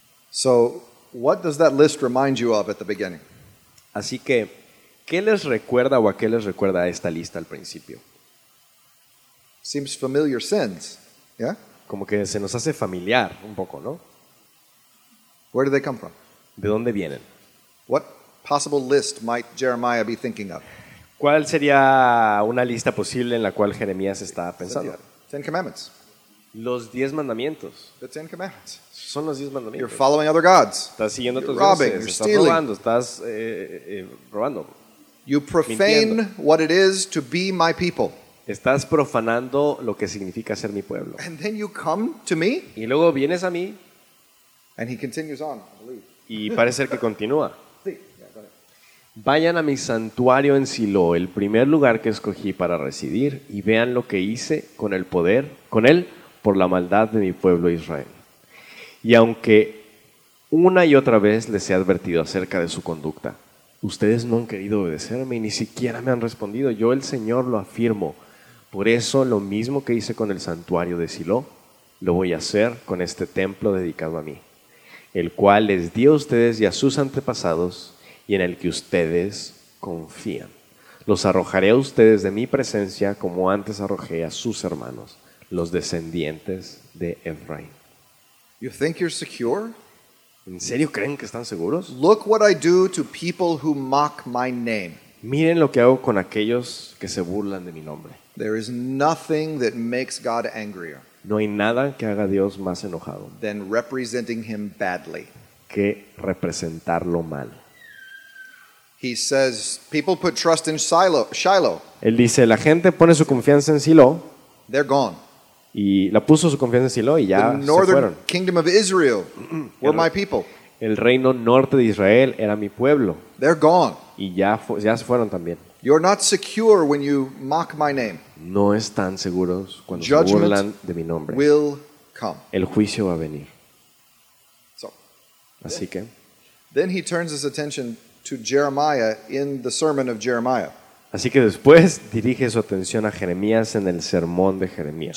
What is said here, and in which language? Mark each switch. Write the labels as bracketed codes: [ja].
[en] So, what does that list remind you of at the beginning? [es] Así que, ¿qué les recuerda o a qué les recuerda esta lista al principio? [en] Seems familiar sins, yeah? [es] Como que se nos hace familiar un poco, ¿no? [en] Where do they come from? [es] ¿De dónde vienen? [en] What possible list might Jeremiah be thinking of? [es] ¿Cuál sería una lista posible en la cual Jeremías está pensando? [en] Ten Commandments. [es] Los 10 mandamientos. [en] The Ten Commandments. [es] Son los 10 mandamientos. [en] You're following other gods. [es] Estás siguiendo a otros dioses. [en] Robbing. You're stealing. [es] Estás robando. Estás robando. [en] You profane [es] mintiendo. [en] What it is to be my people. [es] Estás profanando lo que significa ser mi pueblo. [en] And then you come to me. [es] Y luego vienes a mí. [en] And he continues on, I believe. [es] Y parece que continúa. Sí. [en] Yeah, go ahead. [es] Vayan a mi santuario en Silo, el primer lugar que escogí para residir, y vean lo que hice con el poder, con él. Por la maldad de mi pueblo Israel. Y aunque una y otra vez les he advertido acerca de su conducta, ustedes no han querido obedecerme y ni siquiera me han respondido. Yo, el Señor, lo afirmo. Por eso, lo mismo que hice con el santuario de Silo, lo voy a hacer con este templo dedicado a mí, el cual les di a ustedes y a sus antepasados y en el que ustedes confían. Los arrojaré a ustedes de mi presencia como antes arrojé a sus hermanos, los descendientes de Efraín. [en] You think you're secure? [es] ¿En serio creen que están seguros? [en] Look what I do to people who mock my name. [es] Miren lo que hago con aquellos que se burlan de mi nombre. [en] There is nothing that makes God angrier. [es] No hay nada que haga a Dios más enojado. [en] Than representing him badly. [es] Que representarlo mal. [en] He says, people put trust in Shiloh. [es] Él dice, la gente pone su confianza en Silo. [en] They're gone. [es] Y la puso su confianza en Silo y ya se fueron. [en] The northern kingdom of Israel were my people. [es] El reino norte de Israel era mi pueblo. [en] They're gone. [es] Y ya se fueron también. [en] You're not secure when you mock my name. [es] No están seguros cuando se burlan de mi nombre. [en] Will come. [es] El juicio va a venir. [en] So, [es] así que. [en] Then he turns his attention to Jeremiah in the sermon of Jeremiah. [es] Así que después dirige su atención a Jeremías en el sermón de Jeremías.